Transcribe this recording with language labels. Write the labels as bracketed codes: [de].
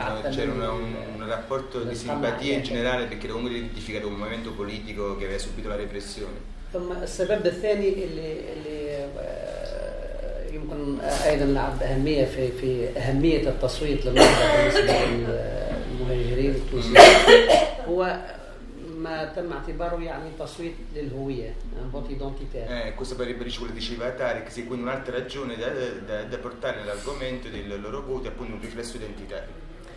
[it] c'era un rapporto di simpatia in generale perché era comunque identificato un movimento politico che aveva subito la repressione. [ar] ثم السبب الثاني اللي يمكن ايضا لعب اهميه في اهميه التصويت للنهضه بالنسبه للمهاجرين التونسيين هو ما تم اعتباره يعني تصويت للهويه [fr] فوت ايدنتيتير [it] questo potrebbe ricevere diceva Tarek sì quindi un'altra ragione da portare nell'argomento del loro voto appunto un riflesso identitario